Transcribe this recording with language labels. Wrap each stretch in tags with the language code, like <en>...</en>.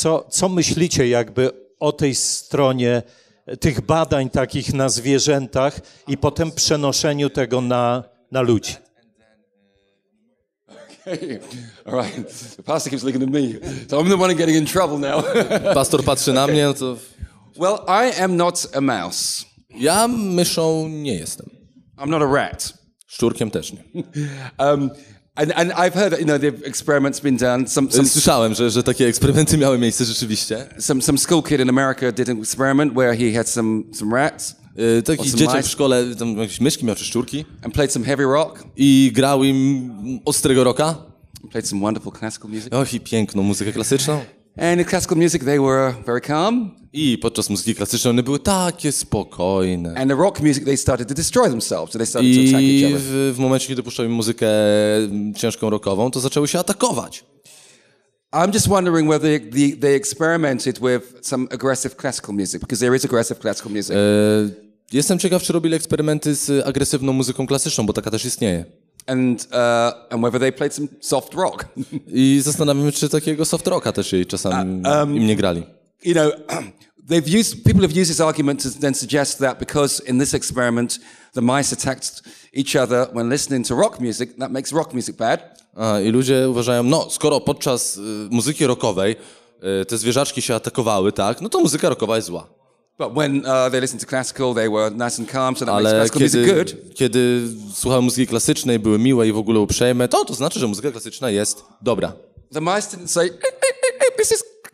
<pl>Co myślicie jakby o tej stronie tych badań takich na zwierzętach i potem przenoszeniu tego na ludzi?</pl> <en>Okay. All right. The pastor keeps looking at me. So I'm the one getting in trouble now.</en> <pl>Pastor patrzy na mnie, to.</pl> <en>Well, I am not a mouse.</en> <pl>Ja myszą nie jestem.</pl> <en>I'm not a rat.</en> <pl>Szczurkiem też nie.</pl> <en>And I've heard that, you know, the experiment's been done.</en> <pl>Słyszałem, że takie eksperymenty miały miejsce rzeczywiście.</pl> <en>Some school kid in America did an experiment where he had some rats.</en> <pl>Taki dzieciak w szkole, tam jakieś myszki miał, czy szczurki.</pl> <en>And played some heavy rock.</en> <pl>I grał im ostrego rocka.</pl> <en>And played some wonderful classical music.</en> <pl>Och, i piękną muzykę klasyczną.</pl> <en>And in classical music they were very calm.</en> <pl>I podczas muzyki klasycznej one były takie spokojne.</pl> <en>And the rock music they started to destroy themselves. So they started</en> <pl>I</pl> <en>to attack each other.</en> <pl>W momencie kiedy puszczałem muzykę ciężką rockową, to zaczęły się atakować.</pl> <en>I'm just wondering whether they experimented with some aggressive classical music, because there is aggressive classical music.</en> <pl>Jestem ciekaw, czy robili eksperymenty z agresywną muzyką klasyczną, bo taka też istnieje.</pl> <en>And whether they played some soft rock.</en> <pl>I zastanawiam się, czy takiego soft rocka też jej czasami im nie grali.</pl> <en>You know, people have used this argument to then suggest that because in this experiment the mice attacked each other when listening to rock music, that makes rock music bad.</en> <pl>I ludzie uważają, no skoro podczas muzyki rockowej te zwierzaczki się atakowały, tak, no to muzyka rockowa jest zła.</pl> <en>But when they listened to classical, they were nice and calm, so that makes classical music good.</en> <pl>Kiedy słuchały muzyki klasycznej, były miłe i w ogóle uprzejme, to znaczy, że muzyka klasyczna jest dobra.</pl> <en>The mice didn't say, this is</en>